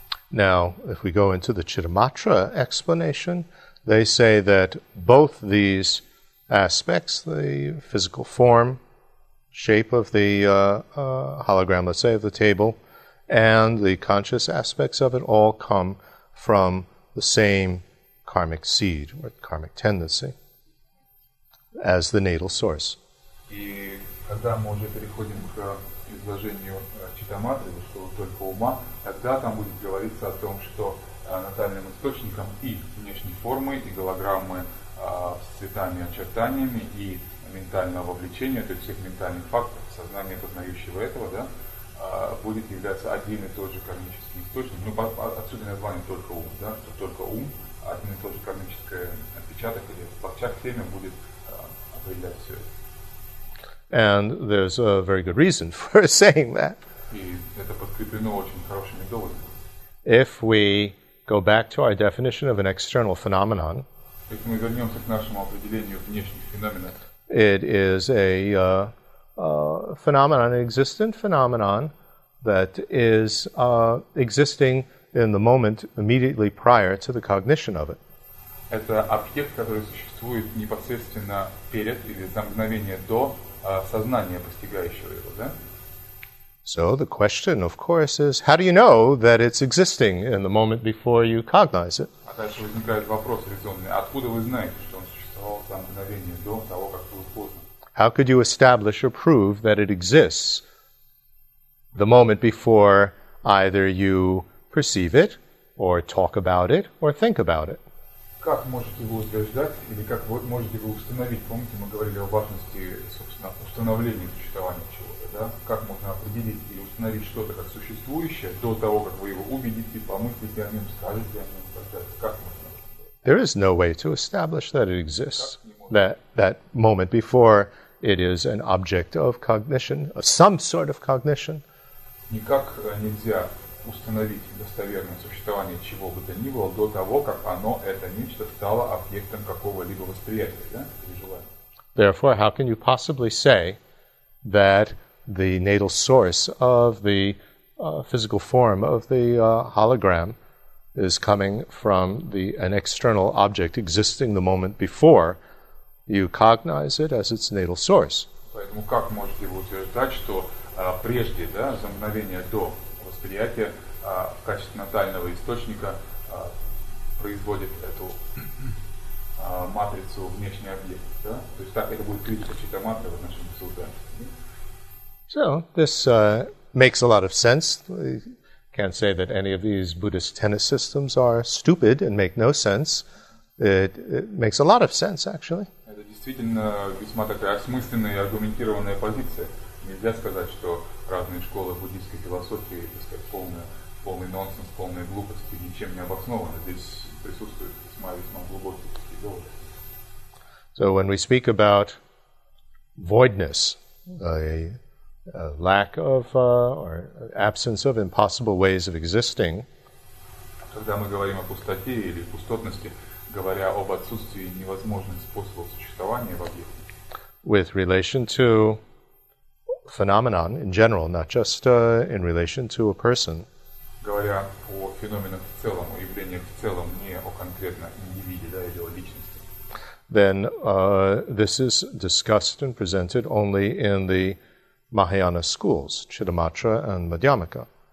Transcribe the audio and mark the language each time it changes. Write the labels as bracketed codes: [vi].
[en] Now, if we go into the Chittamatra explanation, they say that both these aspects, the physical form, shape of the hologram, let's say, of the table, and the conscious aspects of it, all come from the same karmic seed, or karmic tendency, as the natal source. And when we [ru] переходим к изложению Читаматры, что только ума, тогда там будет говориться о том, что натальным источником и внешней формы, и голограммы с цветами и очертаниями, и ментального вовлечения, то есть всех ментальных факторов, сознание познающего этого, да, будет являться один и тот же кармический источник. Ну, отсюда название только ум, да, что только ум, один и тот же кармический отпечаток или плачак семя будет определять все это. [en] And there's a very good reason for saying that. If we go back to our definition of an external phenomenon, it is a phenomenon, an existent phenomenon that is existing in the moment immediately prior to the cognition of it. [ru] Это объект, который существует непосредственно перед или за мгновение до сознания постигающего его, да? [en] So the question, of course, is how do you know that it's existing in the moment before you cognize it? [ru] А дальше возникает вопрос резонный: откуда вы знаете, что он существовал за мгновение до того, как вы поздно? [en] How could you establish or prove that it exists the moment before either you perceive it, or talk about it, or think about it? [ru] Как можете вы утверждать, или как вы можете вы установить, помните, мы говорили о важности, собственно, установления существования чего-то, да? Как можно определить или установить что-то как существующее до того, как вы его увидите, помыслите о нем, скажете о нем, так далее? Как можно? [en] There is no way to establish that it exists, that moment before it is an object of cognition, of some sort of cognition. [ru] Никак нельзя установить достоверное существование чего бы то ни было до того, как оно, это нечто, стало объектом какого-либо восприятия, да, или желания. [en] Therefore, how can you possibly say that the natal source of the physical form of the hologram is coming from an external object existing the moment before you cognize it as its natal source? [ru] Поэтому как можете вы утверждать, что прежде, да, за мгновение до восприятия в качестве натального источника производит эту матрицу внешний объект, да? То есть так это будет критика Читаматры в отношении Сутры. [en] So, this makes a lot of sense. I can't say that any of these Buddhist tenet systems are stupid and make no sense. It makes a lot of sense, actually. [ru] Это действительно весьма такая осмысленная и аргументированная позиция. Нельзя сказать, что разные школы буддийской философии, так сказать, полный нонсенс, полные глупости, ничем не обоснованы. Здесь присутствуют весьма глубокие такие доводы. [en] So when we speak about voidness, a lack of or absence of impossible ways of existing, [ru] когда мы говорим о пустоте или пустотности, говоря об отсутствии невозможных способов существования в объекте, [en] with relation to phenomenon in general, not just in relation to a person, [ru] говоря о феноменах в целом, о явлениях в целом, не о конкретно индивиде, да, или о личности, [en] then this is discussed and presented only in the Mahayana schools, Chittamatra and Madhyamaka.